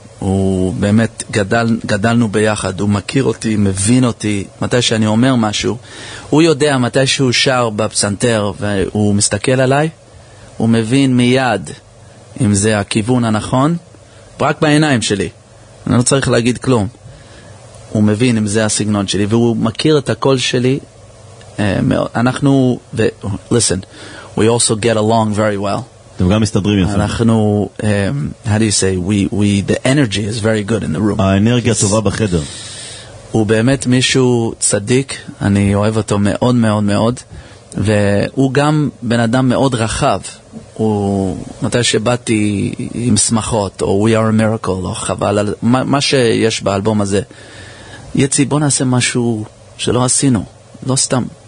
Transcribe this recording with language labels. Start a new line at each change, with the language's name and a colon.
Hebrew: הוא באמת גדלנו ביחד, הוא מכיר אותי, מבין אותי, מתי שאני אומר משהו, הוא יודע מתי שהוא שר בפסנתר והוא מסתכל עליי, הוא מבין מיד אם זה הכיוון הנכון, רק בעיניים שלי, אני לא צריך להגיד כלום, הוא מבין אם זה הסגנון שלי, והוא מכיר את הקול שלי, אנחנו,
English: listen, we also get along very well.
Hebrew: אתם גם מסתדרים יפה. אנחנו,
English: how do you say, we the energy is very good in the room.
Hebrew: האנרגיה טובה בחדר. הוא באמת מישהו צדיק, אני אוהב אותו מאוד מאוד מאוד, והוא גם בן אדם מאוד רחב. הוא, מתי שבאתי עם שמחות, או We Are a Miracle, או חבל, מה שיש באלבום הזה, יצי, בוא נעשה משהו שלא עשינו, לא סתם.